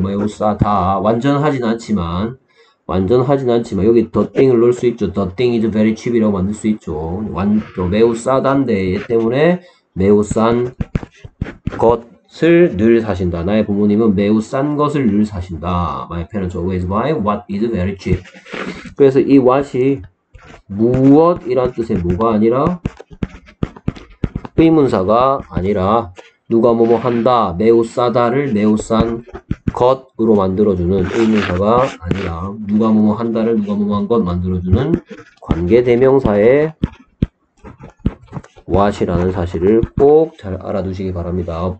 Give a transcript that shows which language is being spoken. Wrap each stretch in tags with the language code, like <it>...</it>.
<ko>매우 싸다. 완전하진 않지만. 완전하진 않지만. 여기 the thing을 넣을 수 있죠.</ko> <en>The thing is very cheap</en> <ko>이라고 만들 수 있죠. 매우 싸단데. 얘 때문에 매우 싼 것. 을늘 사신다. 나의 부모님은 매우 싼 것을 늘 사신다.</ko> <en>My parents always buy what is very cheap.</en> <ko>그래서 이 what이 무엇이란 뜻의 뭐가 아니라 의문사가 아니라 누가 뭐뭐 한다. 매우 싸다를 매우 싼 것으로 만들어주는 의문사가 아니라 누가 뭐뭐 한다를 누가 뭐뭐 한것 만들어주는 관계대명사의 what이라는 사실을 꼭잘 알아두시기 바랍니다.</ko>